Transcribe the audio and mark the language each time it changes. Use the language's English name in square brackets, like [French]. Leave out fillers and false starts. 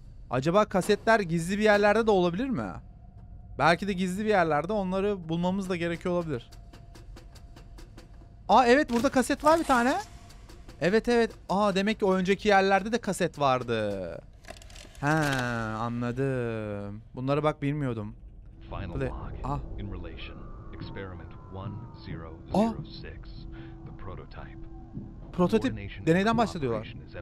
[Turkish] Acaba kasetler gizli bir yerlerde de olabilir mi? Belki de gizli bir yerlerde, onları bulmamız da gerekiyor olabilir. Aa evet, burada kaset var bir tane. Evet. Aa demek ki o önceki yerlerde de kaset vardı. He, anladım. Bunlara bak, bilmiyordum. [English] Final lock in relation experiment 1006. The prototype. [Turkish] Prototip deneyden bahsediyorlar.